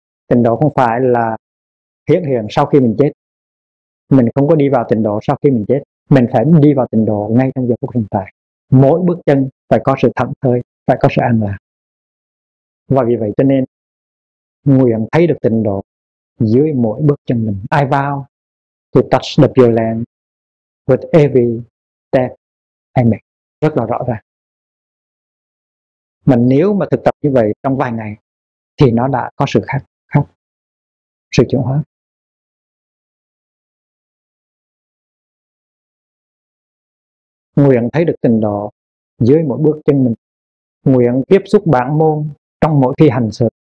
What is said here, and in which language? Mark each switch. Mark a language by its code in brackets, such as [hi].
[vi] Tịnh độ không phải là hiện hiện sau khi mình chết. Mình không có đi vào tịnh độ sau khi mình chết. Mình phải đi vào tịnh độ ngay trong giờ phút hiện tại. Mỗi bước chân phải có sự thảnh thơi, phải có sự an lạc. Và vì vậy cho nên nguyện thấy được tịnh độ dưới mỗi bước chân mình. [en] I vow to touch the pure land with every step I make. [vi] Rất là rõ ràng. Mà nếu mà thực tập như vậy trong vài ngày thì nó đã có sự khác, sự chuyển hóa. Nguyện thấy được tình độ dưới mỗi bước chân mình. Nguyện tiếp xúc bản môn trong mỗi khi hành sự.